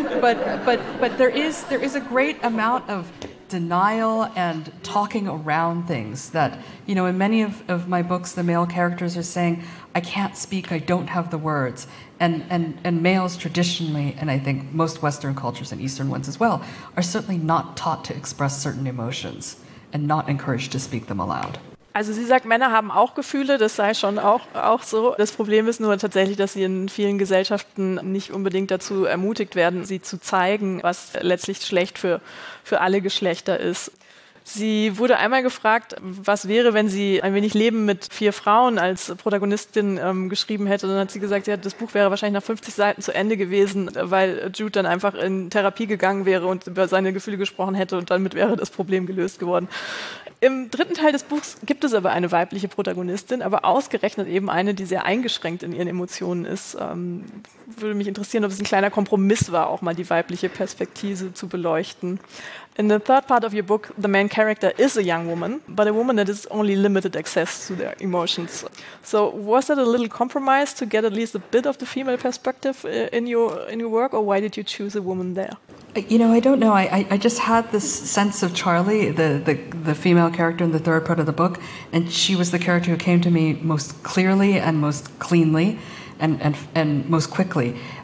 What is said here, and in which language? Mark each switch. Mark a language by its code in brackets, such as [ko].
[en] But there is a great amount of denial and talking around things that, you know, in many of my books, the male characters are saying, I can't speak, I don't have the words. And males traditionally, and I think most Western cultures and Eastern ones as well, are certainly not taught to express certain emotions. And not encouraged to speak them aloud. [de] Also sie sagt, Männer haben auch Gefühle, das sei schon auch so. Das Problem ist nur tatsächlich, dass sie in vielen Gesellschaften nicht unbedingt dazu ermutigt werden, sie zu zeigen, was letztlich schlecht für alle Geschlechter ist. Sie wurde einmal gefragt, was wäre, wenn sie ein wenig Leben mit vier Frauen als Protagonistin geschrieben hätte. Dann hat sie gesagt, ja, das Buch wäre wahrscheinlich nach 50 Seiten zu Ende gewesen, weil Jude dann einfach in Therapie gegangen wäre und über seine Gefühle gesprochen hätte und damit wäre das Problem gelöst geworden. Im dritten Teil des Buchs gibt es aber eine weibliche Protagonistin, aber ausgerechnet eben eine, die sehr eingeschränkt in ihren Emotionen ist. Würde mich interessieren, ob es ein kleiner Kompromiss war, auch mal die weibliche Perspektive zu beleuchten. [en] In the third part of your book, the main character is a young woman, but a woman that is only limited access to their emotions. So was that a little compromise to get at least a bit of the female perspective in your work, or why did you choose a woman there? You know, I don't know. I just had this sense of Charlie, the female character in the third part of the book, and she was the character who came to me most clearly and most cleanly and most quickly.